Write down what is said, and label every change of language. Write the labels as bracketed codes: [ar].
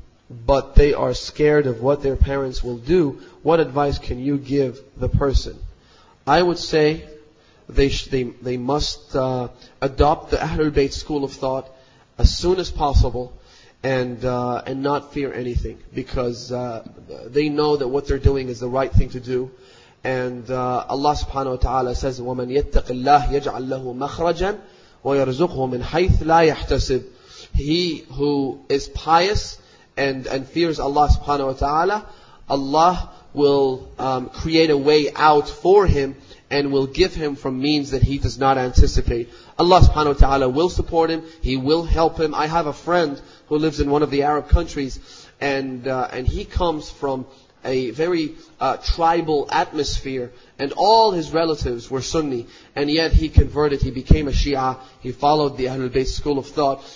[en] but they are scared of what their parents will do, what advice can you give the person? I would say they must adopt the Ahlul Bayt school of thought as soon as possible and not fear anything, because they know that what they're doing is the right thing to do. And Allah subhanahu wa ta'ala says, [ar] وَمَنْ يَتَّقِ اللَّهِ يَجْعَلْ لَهُ مَخْرَجًا وَيَرْزُقْهُ مِنْ حَيْثِ لَا يَحْتَسِبْ. [en] He who is pious and fears Allah subhanahu wa ta'ala, Allah will create a way out for him and will give him from means that he does not anticipate. Allah subhanahu wa ta'ala will support him. He will help him. I have a friend who lives in one of the Arab countries, and he comes from a very tribal atmosphere, and all his relatives were Sunni, and yet he converted, he became a Shia, he followed the Ahlul Bayt school of thought.